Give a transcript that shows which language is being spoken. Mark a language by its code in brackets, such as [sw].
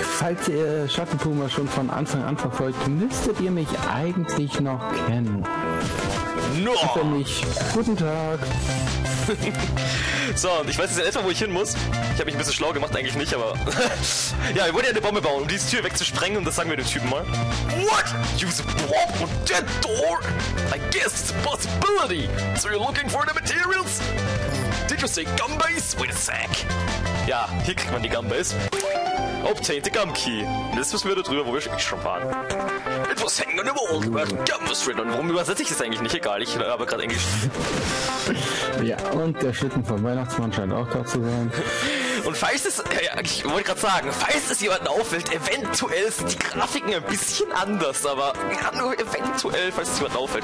[de] Falls ihr Schattenpuma schon von Anfang an verfolgt, müsstet ihr mich eigentlich noch kennen. [en] No. [de] Wenn nicht. Guten Tag. So, ich weiß jetzt erstmal, wo ich hin muss. Ich habe mich ein bisschen schlau gemacht, eigentlich nicht, aber... Ja, ich wollte ja eine Bombe bauen, um diese Tür wegzusprengen, und das sagen wir den Typen mal. [en] What? Use a bomb on that door? I guess it's a possibility. So you're looking for the materials? Did you say gumbase? Wait a sec. [de] Ja, hier kriegt man die Gumbase. [en] Obtain the gum key. [de] Das wissen wir da drüber, wo wir schon waren. [en] It was hanging on the wall, where gum was written. [de] Und warum übersetze ich das eigentlich nicht? Egal, ich habe gerade Englisch. Ja, und der Schlitten vom Weihnachtsmann scheint auch da zu sein. Und falls es, ich wollte gerade sagen, falls es jemanden auffällt, eventuell sind die Grafiken ein bisschen anders, aber ja, nur eventuell, falls es jemanden auffällt.